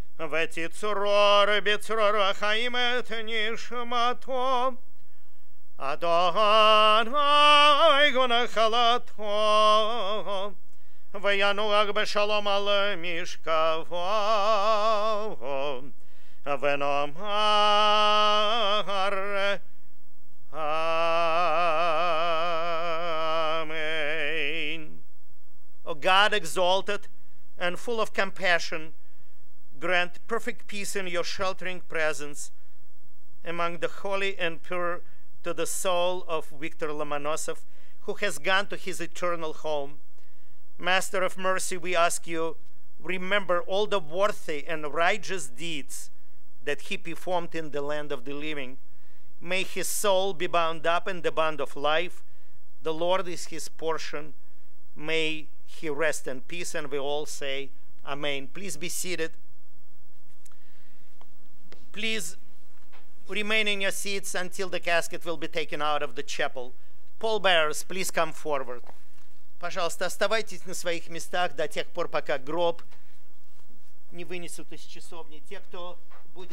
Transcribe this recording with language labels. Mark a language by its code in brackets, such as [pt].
[en] В эти цуроры, бецуроры, хаим это не шамато, а доганай гонахалато, в януах бы шалом алэ мишкаво, в эном арре амэйн. О, God exalted and full of compassion, grant perfect peace in your sheltering presence among the holy and pure to the soul of Victor Lomonosov, who has gone to his eternal home. Master of mercy, we ask you, remember all the worthy and righteous deeds that he performed in the land of the living. May his soul be bound up in the bond of life. The Lord is his portion. May he rest in peace, and we all say, Amen. Please be seated. Please remain in your seats until the casket will be taken out of the chapel. Pallbearers, please come forward. [ru] Пожалуйста, оставайтесь на своих местах до тех пор, пока гроб не вынесут из часовни. Те, кто будет